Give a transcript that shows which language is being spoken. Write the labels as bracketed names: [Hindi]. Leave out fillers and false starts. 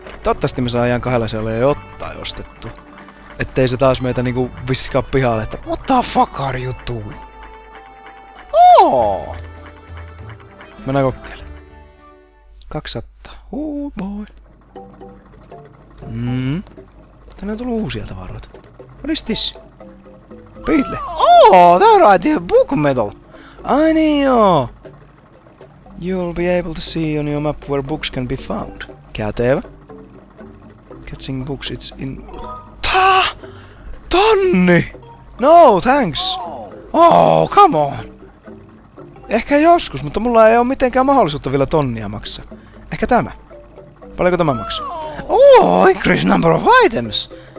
[Finnish] Toivottavasti me saadaan ihan kahdella se olemaan ottaa ostettu. Ettei se taas meitä niinku viskaa pihalle, että [English] what the fuck are you doing? [Finnish] Mennään kokeilemaan. 200. [English] Oh boy. [Finnish] Tänne on tullut uusia tavaroita. [English] What is this? Beatle. Oh, that right here, book metal. [Finnish] Ai niin joo. [English] You'll be able to see on your map where books can be found. Kätevä. Catching books, it's in... [Finnish] Tää! Tonni! [English] No, thanks! Oh, come on! [Finnish] Ehkä joskus, mutta mulla ei ole mitenkään mahdollisuutta vielä tonnia maksaa. Ehkä tämä. Paljonko tämä maksaa? [English] Oh, increase number of items!